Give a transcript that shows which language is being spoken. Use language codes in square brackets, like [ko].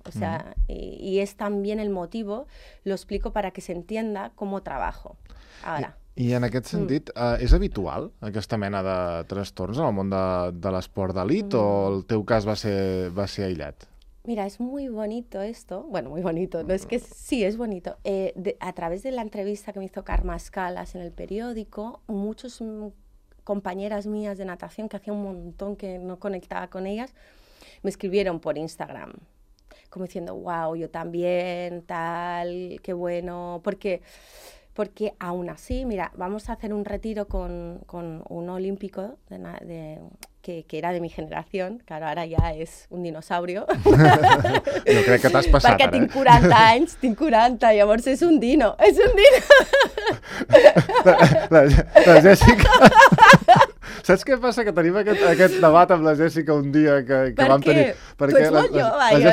[es] O sea, y es también el motivo, lo explico para que se entienda cómo trabajo ahora. [ca] I en aquest sentit, és habitual aquesta mena de trastorns en el món de l'esport d'elit o el teu cas va ser aïllat? [es] Mira, es muy bonito esto. Bueno, muy bonito. No es que sí, es bonito. A través de la entrevista que me hizo Karma Scalas en el periódico, muchas compañeras mías de natación, que hacía un montón que no conectaba con ellas, me escribieron por Instagram. Como diciendo, wow, yo también, tal, qué bueno. Porque aún así, mira, vamos a hacer un retiro con un olímpico que era de mi generación, claro, ahora ya es un dinosaurio. [ca] No crec que t'has passat, ara. Perquè tinc 40 anys, tinc 40, llavors és un dino. La Jessica... Saps què passa? Que tenim aquest debat amb la Jessica un dia que vam tenir... Per què? Tu ets molt jove.